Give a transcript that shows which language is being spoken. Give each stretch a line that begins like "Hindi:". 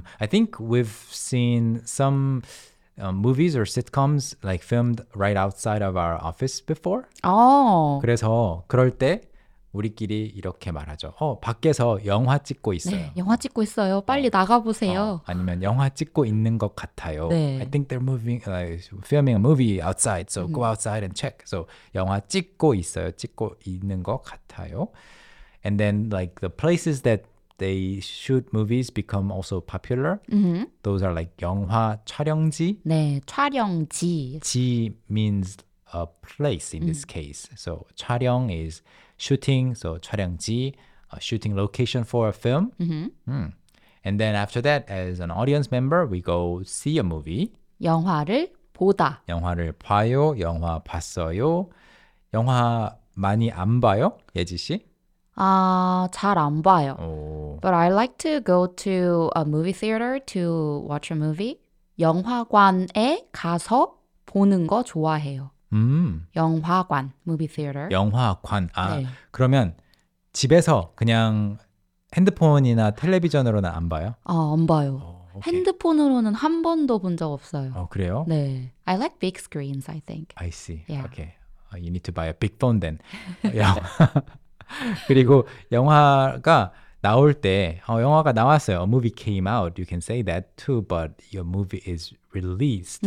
English: I think we've seen some movies or sitcoms like filmed right outside of our office before.
Korean: 그래서 그럴 때 우리끼리 이렇게 말하죠. 밖에서 영화 찍고 있어요. 네, 영화 찍고 있어요. 빨리 나가보세요. 아니면 영화 찍고 있는 것 같아요. 네.
English: I think they're moving, filming a movie outside, so go outside and check.
Korean: So 영화 찍고 있어요. 찍고 있는 것 같아요.
English: And then like the places that they shoot movies become also popular. Those are like
Korean: 영화 촬영지. 네, 촬영지.
English: 지 means a place in this case. So 촬영 is... shooting, so 촬영지, a shooting location for a film. And then after that, as an audience member, we go see a movie.
Korean: 영화를 보다. 영화를 봐요, 영화 봤어요. 영화 많이 안 봐요, 예지 씨? 아, 잘 안 봐요. 오.
English: But I like to go to a movie theater to watch a movie.
Korean: 영화관에 가서 보는 거 좋아해요. 영화관,
English: movie theater.
Korean: 영화관. 아, 네. 그러면 집에서 그냥 핸드폰이나 텔레비전으로는 안 봐요? 아, 안 봐요. 핸드폰으로는 한 번도 본 적 없어요. 그래요?
English: 네. I like big screens, I think. I see. Yeah. Okay. You need to buy a big phone then.
Korean: 그리고 영화가 나올 때, 영화가 나왔어요.
English: A movie came out. You can say that too, but your movie is released.